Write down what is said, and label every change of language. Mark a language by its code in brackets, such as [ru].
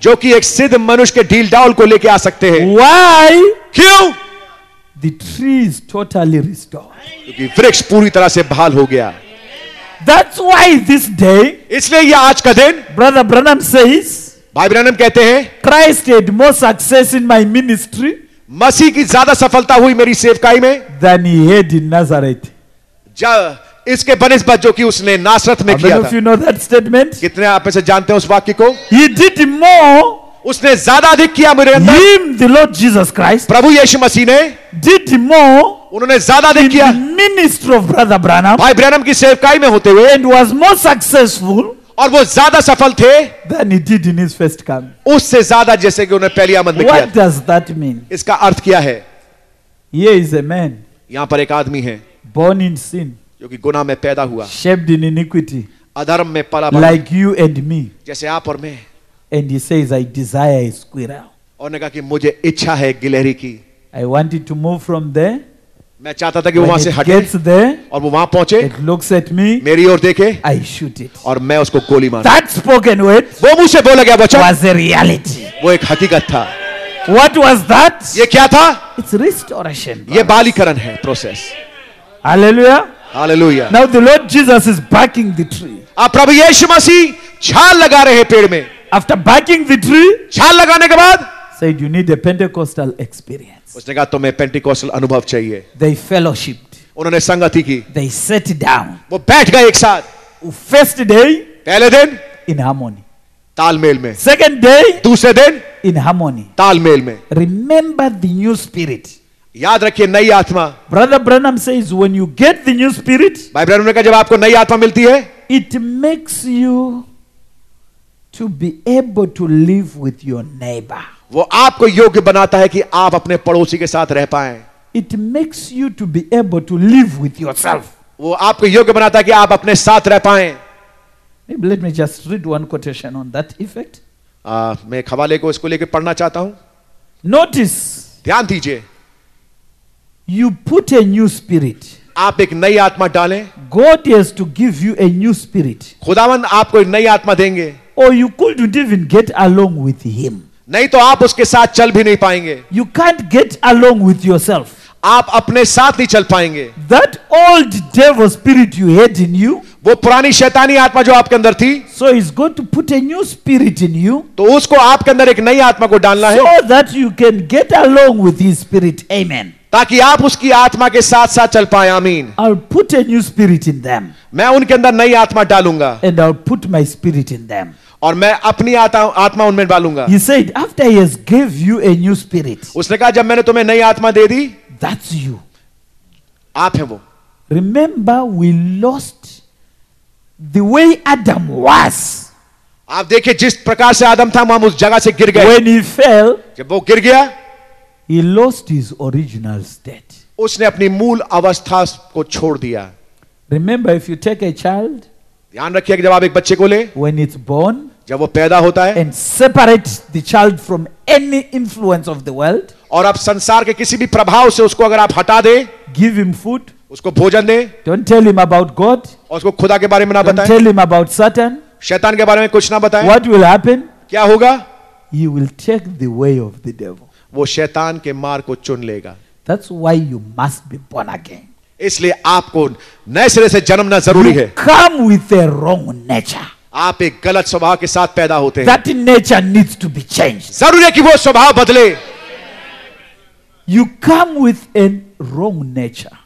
[hi] जो कि एक सिद्ध मनुष्य के ढील डाल को लेके आ सकते हैं. [en] Why? [hi] क्यों? [en] The tree is totally restored. [hi] क्योंकि वृक्ष पूरी तरह से बहाल हो गया. [en] That's why this day. [hi] इसलिए ये आज का दिन. [en] Brother Branham says. [hi] भाई ब्रैनम कहते हैं. [en] Christ had more success in my ministry. [hi] मसीह की ज्यादा सफलता हुई मेरी सेवकाई में. [en] Than he had in Nazareth. [hi] इसके बनिस्बत जो कि उसने नासरत में किया था. [en] If you know that statement. [hi] कितने आप इसे जानते हैं उस वाक्य को. [en] He did more. [hi] उसने ज्यादा अधिक किया मेरे अंदर. [en] Him, the Lord Jesus Christ. [hi] प्रभु यीशु मसीह ने. [en] Did more. [hi] उन्होंने ज्यादा अधिक किया. [en] Ministry of Brother Branham. [hi] भाई ब्रैनम की सेवकाई में होते हुए. [en] And was more successful. [hi] और वो ज्यादा सफल थे. [en] Than he did in his first come. [hi] उससे ज्यादा जैसे कि उन्हें पहली आमद में किया. [en] What does that mean? [hi] इसका अर्थ क्या है? [en] He is a man. [hi] यहाँ पर एक आदमी है. [en] Born in sin. [hi] जो कि गुनाह में पैदा हुआ. [en] Shaped in iniquity. [hi] अधर्म में पला बढ़ा. [en] Like you and me. [hi] जैसे आप और मैं. [en] And he says, I desire a squirrel. [hi] और ने कहा कि मुझे इच्छा है गिलहरी की. [en] I wanted to move from there. [hi] मैं चाहता था कि वो वहां से हटे. [en] There, [hi] और वो वहां पहुंचे. [en] It looks at me, [hi] मेरी ओर देखे. [en] I shoot it. [hi] और मैं उसको गोली मारा. [en] That spoken word, [hi] वो मुझसे बोला गया बच्चा. [en] Was a reality. [hi] वो एक हकीकत था. [en] What was that? [hi] ये क्या था? [en] It's restoration. [hi] ये बालीकरण है process. [en] Hallelujah. Hallelujah. Now the Lord Jesus is backing the tree. [hi] आप प्रभु यीशु मसीह छाल लगा रहे पेड़ में. [en] After backing the tree, [hi] छाल लगाने के बाद. [en] Said you need a Pentecostal experience. [hi] उसने कहा तुम्हें पेंटिकॉस्टल अनुभव चाहिए. [en] They fellowshiped. [hi] उन्होंने संगति की. [en] They sat down. [hi] वो बैठ गए एक साथ. [en] First day. [hi] पहले दिन. [en] In harmony. [hi] तालमेल में. [en] Second day. [hi] दूसरे दिन. [en] In harmony. [hi] तालमेल में. [en] Remember the new spirit. [hi] याद रखिए नई आत्मा. [en] Brother Branham says when you get the new spirit. [hi] भाई ब्रैनम ने कहा जब आपको नई आत्मा मिलती है. [en] It makes you to be able to live with your neighbor. [hi] वो आपको योग्य बनाता है कि आप अपने पड़ोसी के साथ रह पाएं. [en] It makes you to be able to live with yourself. [hi] वो आपको योग्य बनाता है कि आप अपने साथ रह पाएं. [en] Maybe let me just read one quotation on that effect. [hi] मैं एक हवाले को इसको लेकर पढ़ना चाहता हूं. [en] Notice. [hi] ध्यान दीजिए. [en] You put a new spirit. [hi] आप एक नई आत्मा डालें. [en] God has to give you a new spirit. [hi] खुदावंद आपको एक नई आत्मा देंगे. [en] Or you couldn't even get along with him. [hi] नहीं तो आप उसके साथ चल भी नहीं पाएंगे. [en] You can't get along with yourself. [hi] आप अपने साथ नहीं चल पाएंगे. [en] That old devil spirit you had in you. [hi] वो पुरानी शैतानी आत्मा जो आपके अंदर थी. [en] So he's going to put a new spirit in you. [hi] तो उसको आपके अंदर एक नई आत्मा को डालना है. [en] So that you can get along with his spirit. Amen. [hi] ताकि आप उसकी आत्मा के साथ साथ चल पाए. आमीन. [en] I'll put a new spirit in them. [hi] मैं उनके अंदर नई आत्मा डालूंगा. [en] And I'll put my spirit in them. [hi] और मैं अपनी आत्मा उनमें डालूंगा. [en] He said, after he has gave you a new spirit. [hi] उसने कहा जब मैंने तुम्हें नई आत्मा दे दी. [en] That's you. [hi] आप हैं वो. [en] Remember, we lost the way Adam was. [hi] आप देखिए जिस प्रकार से आदम था हम उस जगह से गिर गए. [en] When he fell. [hi] जब वो गिर गया. [en] He lost his original state. [hi] उसने अपनी मूल अवस्था को छोड़ दिया. [en] Remember, if you take a child. [hi] ध्यान रखिए कि जब आप एक बच्चे को ले. [en] When it's born. [hi] जब वो पैदा होता है. [en] And separate the child from any influence of the world. [hi] और आप संसार के किसी भी प्रभाव से उसको अगर आप हटा दे. [en] Give him food. [hi] उसको भोजन दे. [en] Don't tell him about God. [hi] और उसको खुदा के बारे में ना बताएं. [en] Don't tell him about Satan. [hi] शैतान के बारे में कुछ ना बताएं. [en] What will happen? [hi] क्या होगा? [en] He will take the way of the devil. [hi] वो शैतान के मार्ग को चुन लेगा. [en] That's why you must be born again. [hi] इसलिए आपको नए सिरे से जन्मना जरूरी है. [en] Come with a wrong nature. [hi] आप एक गलत स्वभाव के साथ पैदा होते हैं. [en] That nature needs to be changed. [hi] जरूरी है कि वो स्वभाव बदले. [en] You come with a wrong nature.